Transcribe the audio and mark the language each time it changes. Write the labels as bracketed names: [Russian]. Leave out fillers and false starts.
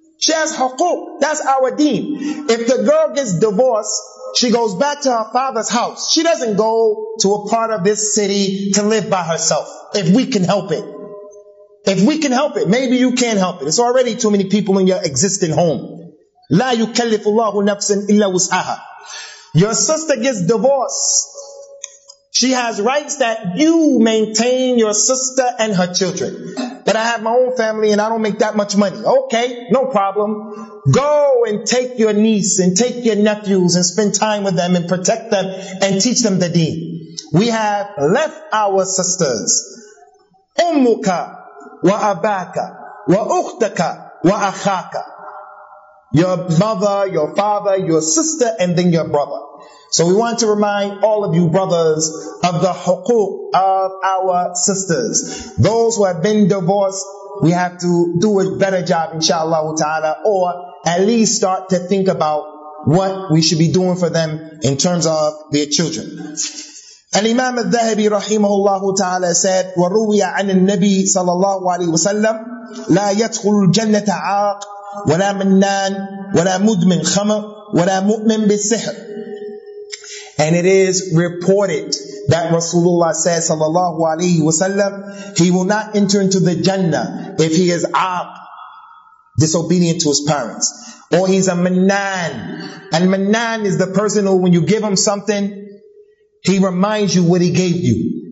[English] She has hukuk. That's our deen. If the girl gets divorced, she goes back to her father's house. She doesn't go to a part of this city to live by herself. If we can help it. If we can help it, maybe you can help it. It's already too many people in your existing home. [Arabic] لا يكلف الله نفسا إلا وسعها. [English] Your sister gets divorced. She has rights that you maintain your sister and her children. But I have my own family and I don't make that much money. Okay, no problem. Go and take your niece and take your nephews and spend time with them and protect them and teach them the deen. We have left our sisters. [Arabic] أمك وأباك وأختك وأخاك. [English] Your mother, your father, your sister, and then your brother. So we want to remind all of you brothers of the huquq of our sisters. Those who have been divorced, we have to do a better job, inshallah ta'ala, or at least start to think about what we should be doing for them in terms of their children. Al-Imam al-Dhahabi rahimahullah ta'ala said, [Arabic] وَرُوِيَ عَنِ النَّبِي صَلَى اللَّهُ عَلَيْهِ وَسَلَّمْ لَا يَدْخُلُ الْجَنَّةَ عَاقٍ ولا منان ولا مدمن خمر ولا مؤمن بالسحر. [English] And it is reported that Rasulullah says, sallallahu alayhi wasallam, he will not enter into the Jannah if he is aq, disobedient to his parents, or he's a manan. And manan is the person who, when you give him something, he reminds you what he gave you.